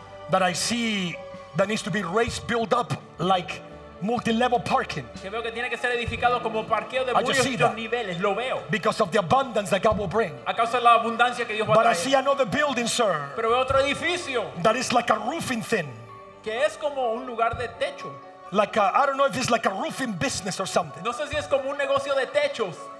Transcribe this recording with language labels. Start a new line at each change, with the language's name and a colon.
English: That I see that needs to be raised, built up like multi-level parking.
Spanish: Que veo que tiene que ser edificado como parqueo de varios niveles. Lo veo.
English: Because of the abundance that God will bring.
Spanish: A causa de la abundancia que Dios va
English: but But I see another building, sir.
Spanish: Pero veo otro edificio.
English: That is like a roofing thing.
Spanish: Que es como un lugar de techo.
English: Like a, I don't know if it's like a roofing business or something.
Spanish: No sé si es como un negocio de techos.